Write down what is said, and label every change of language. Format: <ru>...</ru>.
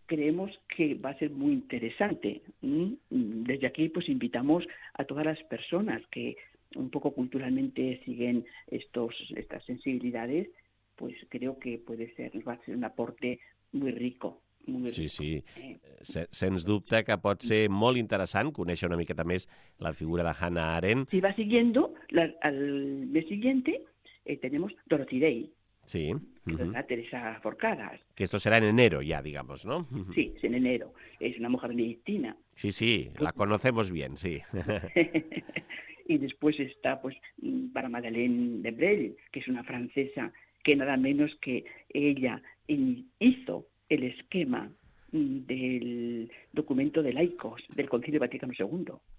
<es>Creemos que va a ser muy interesante. Desde aquí, pues invitamos a todas las personas que un poco culturalmente siguen estas sensibilidades, pues creo que va a ser un aporte muy rico, muy rico. Sí.</es> <ca>Sens dubte que pot ser molt interessant conèixer una miqueta més la figura de Hannah Arendt.</ca> <es>Si va siguiendo, al mes siguiente tenemos Dorothy Day, Sí.</es> <ca>que dona Teresa Forcadas.</ca> <es>Que esto será en enero ya, digamos, ¿no? Sí, es en enero. Es una mujer benedictina. Sí, la conocemos bien, sí. Y después está pues para Madeleine de Breuil, que es una francesa que nada menos que ella hizo el esquema del documento de laicos del Concilio Vaticano II.</es>